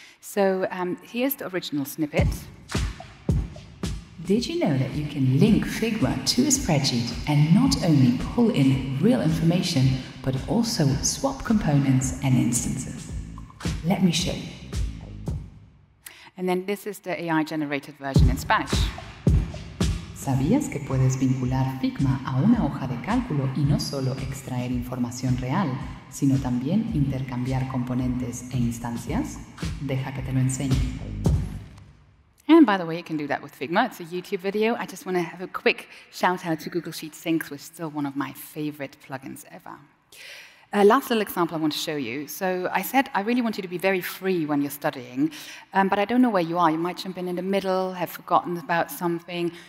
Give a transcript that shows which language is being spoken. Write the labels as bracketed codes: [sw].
[en] So here's the original snippet. Did you know that you can link Figma to a spreadsheet and not only pull in real information, but also swap components and instances? Let me show you. And then this is the AI-generated version in Spanish. [es] ¿Sabías que puedes vincular Figma a una hoja de cálculo y no solo extraer información real, sino también intercambiar componentes e instancias? Deja que te lo enseñe. [en] And by the way, you can do that with Figma. It's a YouTube video. I just want to have a quick shout out to Google Sheet Syncs, which is still one of my favorite plugins ever. Last little example I want to show you. So I said I really want you to be very free when you're studying, but I don't know where you are. You might jump in the middle, have forgotten about something.